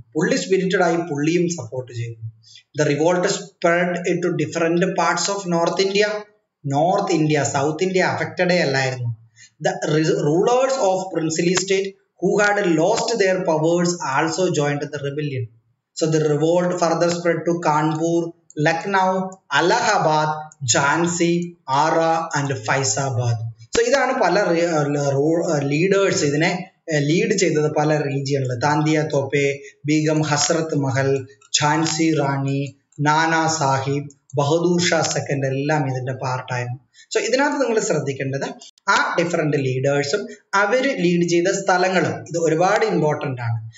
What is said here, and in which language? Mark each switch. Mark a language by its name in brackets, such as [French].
[English] പുള്ളി സ്പിരിറ്റഡ് ആയി, പുള്ളിയും സപ്പോർട്ട് ചെയ്തു. The revolt spread it to different parts of North India. North India, South India അഫക്റ്റഡേ അല്ലായിരുന്നു. The rulers of princely state who had lost their powers also joined the rebellion. So the revolt further spread to Kanpur, Lucknow, Allahabad, Jhansi, Ara and Faizabad. [Malayalam] So ഇതാണ് പല leaders ഇതിനെ lead ചെയ്തത് പല റീജിയണില്. താന്തിയ തോപ്പെ, ബീഗം ഹസ്രത്ത് മഹൽ, ഝാൻസി റാണി, Nana Sahib, Bahadur Shah second എല്ലാം ഇതിന്റെ പാർട്ടായിരുന്നു. So ഇതിനകത്ത് നിങ്ങൾ ശ്രദ്ധിക്കേണ്ടത് ആ ഡിഫറെന്റ് ലീഡേഴ്സും അവര് ലീഡ് ചെയ്ത സ്ഥലങ്ങളും, ഇത് ഒരുപാട് ഇമ്പോർട്ടൻ്റ് ആണ്.